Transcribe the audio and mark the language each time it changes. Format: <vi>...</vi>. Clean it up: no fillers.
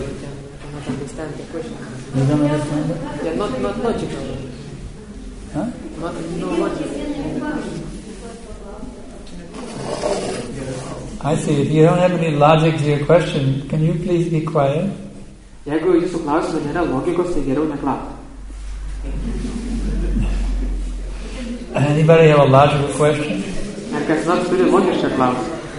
<en>I cannot understand the question. You don't understand it? Yeah, not logical. Huh? No logic. I see. If you don't have any logic to your question, can you please be quiet?</en> <lt>Jeigu jūsų klausimo nėra logikos, tai geriau neklausti.</lt> <en>Anybody have a logical question? I guess not really logical clause.</en>